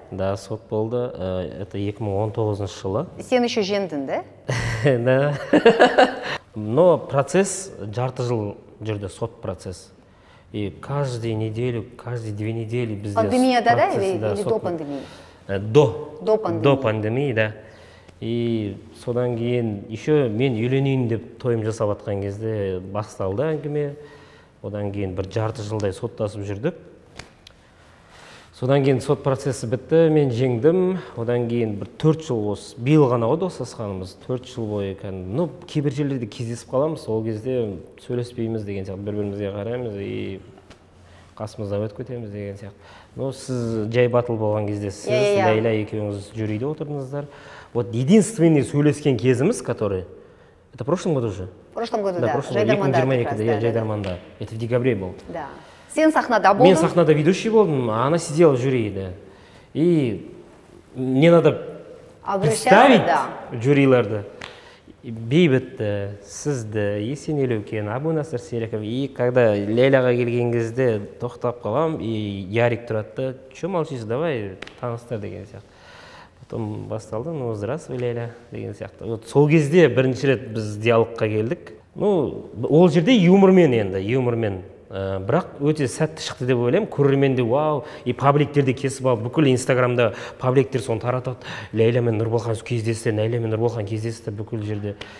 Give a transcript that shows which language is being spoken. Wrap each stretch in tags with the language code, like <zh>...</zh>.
<kk>Да, сот болды.</kk> <ru>Это</ru> <kk>2019 жылы. Сен</kk> <ru>еще</ru> <kk>жендің, да? Да.</kk> <ru>Но процесс</ru> <kk>жарты жыл жерде сот процесс.</kk> <ru>И каждую неделю, каждые две недели без этого. Пандемия, да, да, или до пандемии? До пандемии. До пандемии, да.</ru> <kk>И содан кейін</kk> <ru>еще</ru> <kk>мен үйленейін деп тойым жасап атқан кезде басталды әңгіме. Одан кейін бір жарты жылдай соттасып жүрдік. Содан кейін сот процесі бітті, мен жеңдім. Одан кейін бір 4 жыл осы, биыл ғана достасқанымыз 4 жыл бойы екен. Ну, кейбір жерлерде кездесіп қаламыз, ол кезде сөйлеспейміз деген сияқты, бір-бірімізге қараймыз и қасымызда өтіп кетеміз деген сияқты. Ну, сіз жай батыл болған кезде сіз Ләйла екеуіңіз жүрейде отырдыңыздар.</kk> <ru>Вот единственный</ru> <kk>сөйлескен кезіміз,</kk> <ru>который... Это в прошлом году же? В прошлом году, да. В прошлом году, 2022 году, я Джайдарманда. Это в декабре был.</ru> <kk>Да. Сен сахнада болдың? Мен сахнада ведущий болдым,</kk> <ru>а она сидела в жюри, да. И мне надо представить жюриларды.</ru> <kk>Бейбітті, сізді, Есенел Өкен, Абу Насыр Серіков. И когда Ләйләға келген кезде тоқтап қалам, и Ярик тұрады,</kk> <ru>«Чо молчишь, давай</ru> <kk>таныстыр» деген сияқты.</kk> <ru>Потом</ru> <kk>басталды,</kk> <ru>ну, здравствуй,</ru> <kk>Ләйлә, деген сияқты.</kk> <ru>Вот</ru> <kk>сол кезде бірінші рет біз диалогқа келдік. Ну, ол жерде юмормен енді, юмормен. Бірақ өте сәтті шықты деп ойлаймын, көрерменде вау, и пабликтерде кесіп алып, бүкіл инстаграмда пабликтер соны таратады, Ләйла мен Нұрболхан кездесті, Ләйла мен Нұрболхан кездесті бүкіл жерде.</kk>